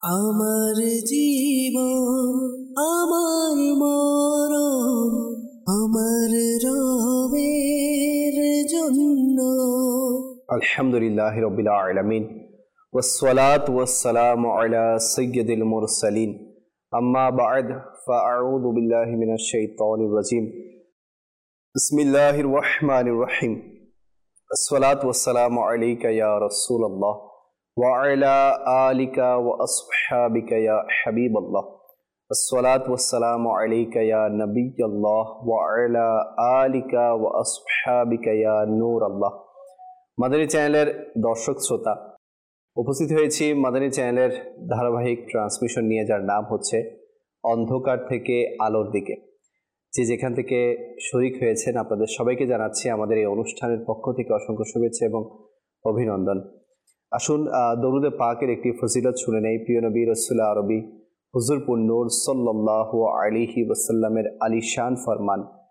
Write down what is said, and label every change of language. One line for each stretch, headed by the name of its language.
Bangla: আমার জীবন আমার মরণ আমার রবের জন্য।
Arabic: আলহামদুলিল্লাহ রাব্বিল আলামিন والصلاه والسلام على سيد المرسلين اما بعد فاعوذ بالله من الشيطان الرجيم بسم الله الرحمن الرحيم والصلاه والسلام عليك يا رسول الله وعلى اليك واصحابك يا حبيب الله والصلاه والسلام عليك يا نبي الله وعلى اليك واصحابك يا نور الله
Bangla: মাদানী চ্যানেলের দর্শক শ্রোতা, উপস্থিত হয়েছি মাদানী চ্যানেলের ধারাবাহিক ট্রান্সমিশন নিয়ে, যার নাম হচ্ছে অন্ধকার থেকে আলোর দিকে। যে যেখান থেকে শরিক হয়েছেন আপনাদের সবাইকে জানাচ্ছি আমাদের এই অনুষ্ঠানের পক্ষ থেকে অসংখ্য শুভেচ্ছা এবং অভিনন্দন। আসুন দরুদে পাকের একটি ফজিলত শুনে নেই প্রিয় নবী রাসূলুল্লাহ আরবি হুজুর পুন্নুর সাল্লাল্লাহু আলাইহি ওয়াসাল্লামের আলিশান ফরমান।